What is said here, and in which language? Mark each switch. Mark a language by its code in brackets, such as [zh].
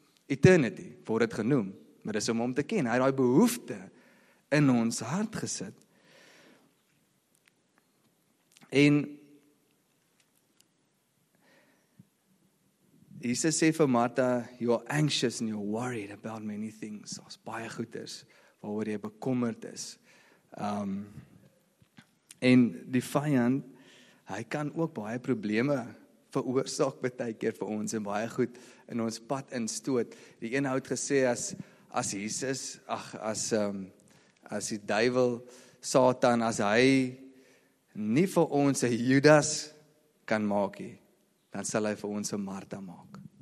[af] Eternity word dit genoem, maar dis om hom te ken. Hy het daai behoefte in ons hart gesit. En Jesus sê vir Martha, [en] you are anxious and you are worried about many things. [af] Daar's baie goeders waaroor jy bekommerd is. En die vyand, hy kan ook baie probleme veroorsaak baie keer vir ons en baie goed in ons pad instoot. Die een hout gesê as die duivel, Satan, as hy nie vir ons 'n Judas kan maak nie, dan sal hy vir ons 'n Martha maak.